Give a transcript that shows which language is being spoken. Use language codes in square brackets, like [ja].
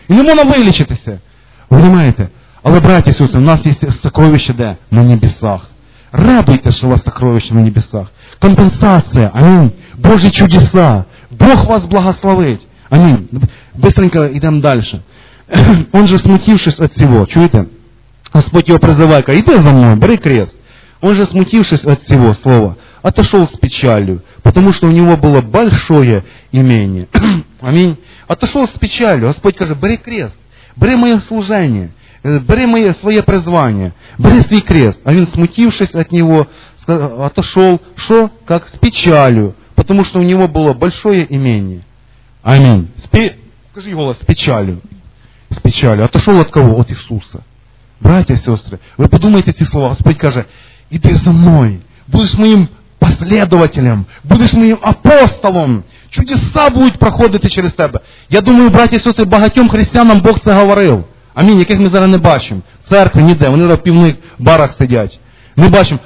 [uk] І не можна вилічитися. Ви розумієте? Але, браті, сьогодні, у нас є сокровище де? На небесах. Радуйтесь, що у вас сокровище на небесах. Компенсація, амінь. Божі чудеса. Бог вас благословить. Амінь. Быстренько йдемо далі. [ru] Он же, смутившись [uk] від цього, чуєте? Господь його призиває, каже, йди за мною, бери крест. [ru] Он же, смутившись від цього слова, отошел з печалью, потому что у него было большое имение. Аминь. Отошел з печалью. [uk] Господь каже, бери крест, бери моє служение, бери моє своє призвання, бери свій крест. А він, смутившись від нього, отошел, що? [ru] Как з печалью, потому что у него было большое имение. Аминь. Скажи голос, з печалью. З печалью. Отошел от кого? От Ісуса. Братья, сестры, вы подумайте ці слова. [uk] Господь каже, іди за мною, будеш моїм послідователем, будеш моїм апостолом, чудеса будуть проходити через тебе. Я думаю, браті і сестри, багатьом християнам Бог це говорив. Амінь, яких ми зараз не бачимо. Церкви ніде, вони в півних барах сидять. Не бачимо.